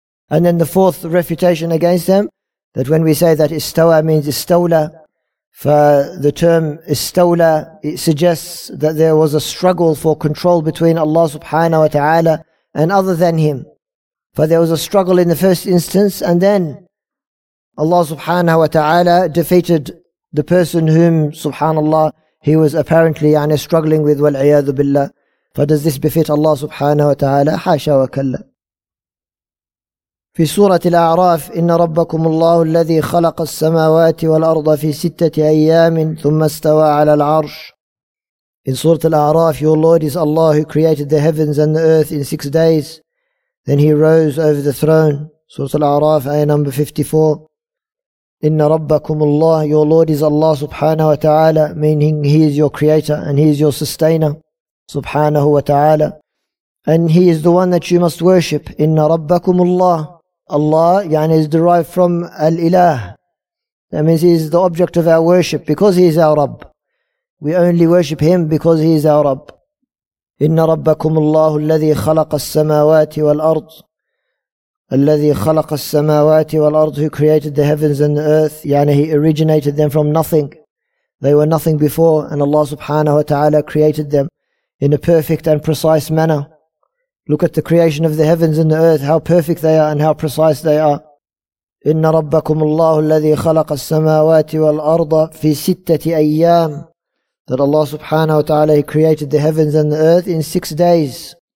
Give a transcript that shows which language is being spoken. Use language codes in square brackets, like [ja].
[en] And then the fourth refutation against them, that when we say that istawa means istawla, for the term istawla, it suggests that there was a struggle for control between Allah subhanahu wa ta'ala and other than him. For there was a struggle in the first instance, and then Allah subhanahu wa ta'ala defeated the person whom, subhanallah, he was apparently يعني, struggling with, wal'iyadu billah. For does this befit Allah subhanahu wa ta'ala? Hasha wa kalla. [ar] في سورة الأعراف إن ربكم الله الذي خلق السماوات والأرض في ستة أيام ثم استوى على العرش. [en] In سورة الأعراف, your Lord is Allah who created the heavens and the earth in 6 days. Then he rose over the throne. [ar] سورة الأعراف, آية number 54. إن ربكم الله, [en] your Lord is Allah سبحانه وتعالى, meaning he is your creator and he is your sustainer, سبحانه وتعالى. And he is the one that you must worship. [ar] إن ربكم الله, [en] Allah يعني, is derived from Al-Ilah. That means He is the object of our worship because He is our Rabb. We only worship Him because He is our Rabb. [ar] إِنَّ رَبَّكُمُ اللَّهُ الَّذِي خَلَقَ السَّمَاوَاتِ وَالْأَرْضِ الَّذِي خَلَقَ السَّمَاوَاتِ وَالْأَرْضِ [en] Who created the heavens and the earth. يعني He originated them from nothing. They were nothing before, and Allah subhanahu wa ta'ala created them in a perfect and precise manner. Look at the creation of the heavens and the earth, how perfect they are and how precise they are. [ar] إِنَّ رَبَّكُمُ اللَّهُ الَّذِي خَلَقَ السَّمَاوَاتِ وَالْأَرْضَ فِي سِتَّةِ أَيَّامٍ [en] That Allah subhanahu wa ta'ala, He created the heavens and the earth in 6 days.